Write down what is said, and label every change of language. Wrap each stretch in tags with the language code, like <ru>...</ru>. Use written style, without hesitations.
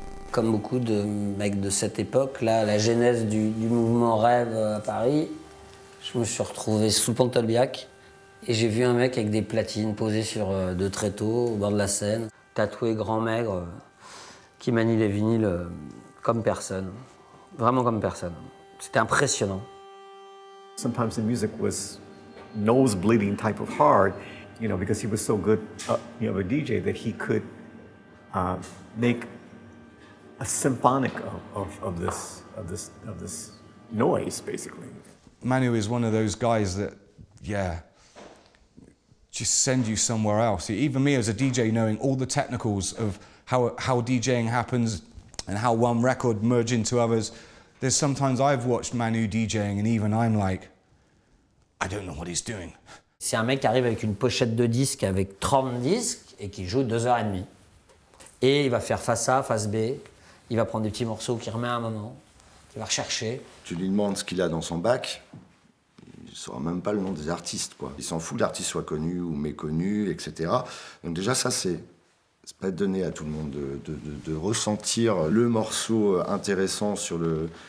<fr>Comme beaucoup de mecs de cette époque, là, la genèse du mouvement rêve à Paris, je me suis retrouvé sous Pontelbiac et j'ai vu un mec avec des platines posées sur deux tréteaux au bord de la Seine, tatoué grand maigre, qui manie les vinyles comme personne, vraiment comme personne. C'était impressionnant.</fr> <en>Sometimes the music was nose bleeding type of hard, you know, because he was so good, you know, a DJ that he could make a symphonic of this noise, basically. Manu is one of those guys that, yeah, just send you somewhere else. Even me as a DJ, knowing all the technicals of how DJing happens and how one record merge into others, there's sometimes I've watched Manu DJing and even I'm like, I don't know what he's doing.</en> <fr>C'est un mec qui arrive avec une pochette de disques avec 30 disques et qui joue 2h30. Et il va faire face A, face B. Il va prendre des petits morceaux qu'il remet à un moment, qu'il va rechercher. Tu lui demandes ce qu'il a dans son bac, il ne saura même pas le nom des artistes, quoi. Il s'en fout que l'artiste soit connu ou méconnu, etc. Donc déjà, ça, c'est pas donné à tout le monde de ressentir le morceau intéressant sur le...</fr>